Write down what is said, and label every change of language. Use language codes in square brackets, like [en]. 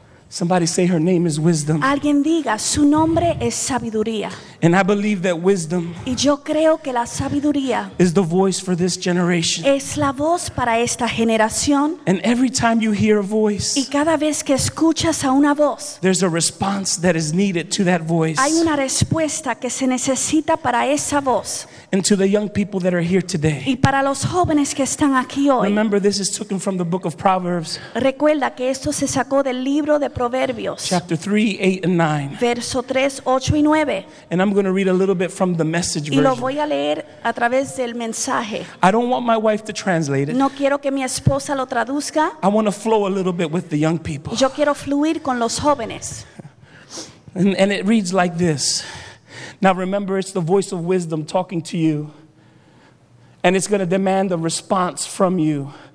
[en] Somebody say her name is wisdom. [es] Alguien diga, su nombre es sabiduría. [en] And I believe that wisdom, [es] y yo creo que la sabiduría, [en] is the voice for this generation. [es] Es la voz para esta generación. [en] And every time you hear a voice, [es] y cada vez que escuchas a una voz, [en] there's a response that is needed to that voice. [es] Hay una respuesta que se necesita para esa voz. [en] And to the young people that are here today, [es] y para los jóvenes que están aquí hoy, [en] remember this is taken from the book of Proverbs. [es] Recuerda que esto se sacó del libro de Proverbios. [en] Chapter 3, 8 and 9. [es] Verso 3, 8 y 9. [en] And I'm going to read a little bit from the message [es] version. Y lo voy a leer a través del mensaje. [en] I don't want my wife to translate it. [es] No quiero que mi esposa lo traduzca. [en] I want to flow a little bit with the young people. [es] Yo quiero fluir con los jóvenes. [en] And it reads like this. Now remember, it's the voice of wisdom talking to you. And it's going to demand a response from you.